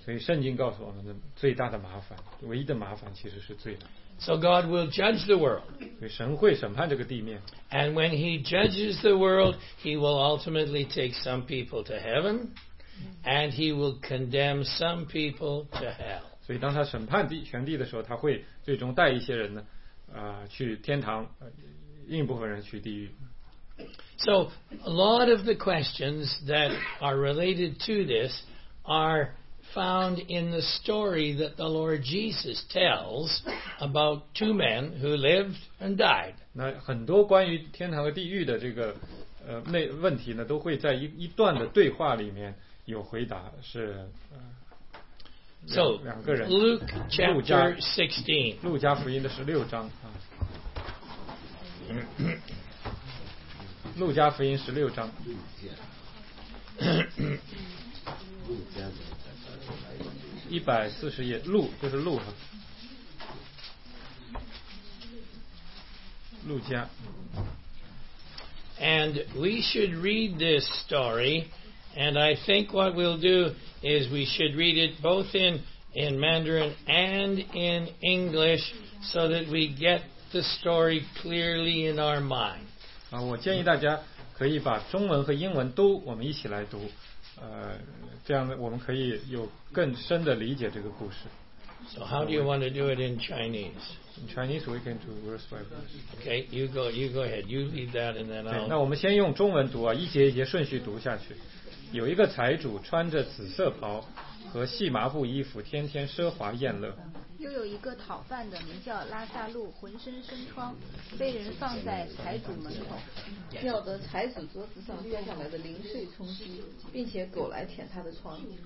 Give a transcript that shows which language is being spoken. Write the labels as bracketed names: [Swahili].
[Chinese] 所以圣经告诉我们的最大的麻烦，唯一的麻烦其实是罪。 [English] So God will judge the world. [Chinese] 所以神会审判这个地面。 [English] And when He judges the world, He will ultimately take some people to heaven, and He will condemn some people to hell. [Chinese] 所以当他审判全地的时候，他会最终带一些人呢，去天堂，另一部分人去地狱。 [English] So a lot of the questions that are related to this are found in the story that the Lord Jesus tells about two men who lived and died. [Chinese] 那很多关于天堂和地狱的这个问题呢，都会在一段的对话里面有回答，是两个人。 [English] So Luke chapter 16. [Chinese] 路加福音的十六章啊。路加福音十六章。 140页，路就是路哈。路加。 [English] And we should read this story, and I think what we'll do is we should read it both in Mandarin and in English, so that we get the story clearly in our mind. [Chinese] 我建议大家可以把中文和英文都我们一起来读，这样我们可以有更深的理解这个故事。 [English] So how do you want to do it in Chinese? In Chinese, we can do verse by verse. Okay, you go ahead. You read that, and then I'll. [Chinese] 那我们先用中文读啊，一节一节顺序读下去。有一个财主穿着紫色袍和细麻布衣服，天天奢华宴乐。又有一个讨饭的，名叫拉萨路，浑身生疮，被人放在财主门口，叫得财主桌子上掉下来的零碎充饥，并且狗来舔他的疮。